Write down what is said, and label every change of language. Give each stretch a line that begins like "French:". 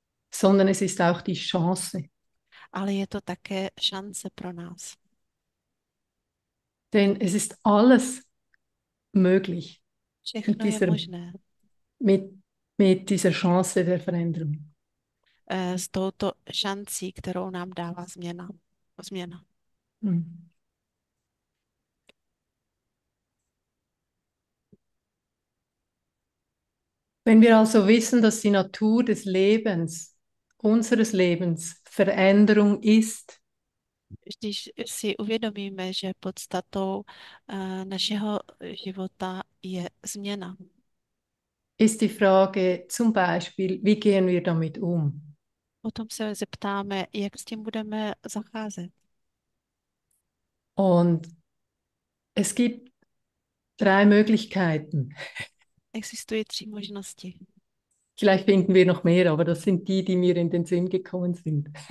German: Sondern es ist auch die Chance.
Czech: Ale je to také šance pro nás.
German: Denn es ist alles möglich
Czech: Všechno je možné.
German: mit dieser Chance der Veränderung.
Czech: S touto šancí, kterou nám dává změna.
German: Wenn wir also wissen, dass die Natur des Lebens, unseres Lebens, Veränderung ist,
Czech: Když si uvědomíme, že podstatou našeho života je změna.
German: ist die Frage zum Beispiel, wie gehen wir damit um?
Czech: Potom se zeptáme, jak s tím budeme zacházet.
German: Und es gibt 3 Möglichkeiten.
Czech: Existují 3 možnosti.
German: Vielleicht finden wir noch mehr, aber das sind die, die mir in den Sinn gekommen sind.